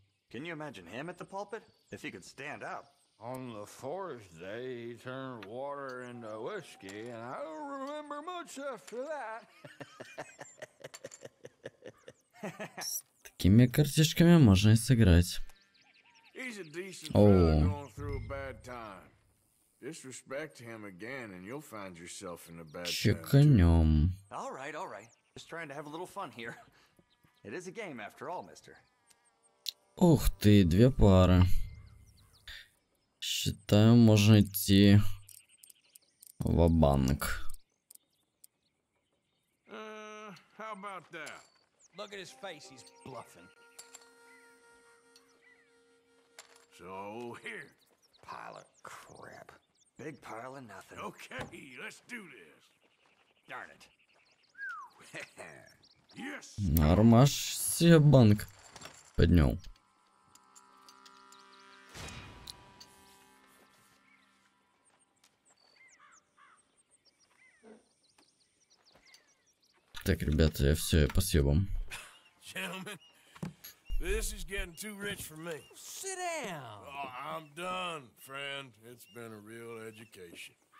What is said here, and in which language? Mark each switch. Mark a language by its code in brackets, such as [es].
[en] Can you imagine him at the pulpit? If he could stand up. On the 4th day, he turned water into whiskey, and I don't remember much after that. [ru] С такими картишками можно и сыграть. [en] He's a decent fellow going through a bad time. Disrespect him again, and you'll find yourself in a bad [ru] Чеканем. [en] Time. All right, just trying to have a little fun here. It is a game after all, mister. [ru] Ух ты, 2 пары. Считаю, можно идти ва-банк. [en] How about that? Look at his face, he's bluffing. So here. Pile of crap. Big pile of nothing. Okay, let's do this. Darn it. Yes. [ru] Нормаш себе банк поднял. Так, ребята, я все, я по съебам. [en] Gentlemen, this is getting too rich for me. Sit down. Oh, I'm done, friend. It's been a real education.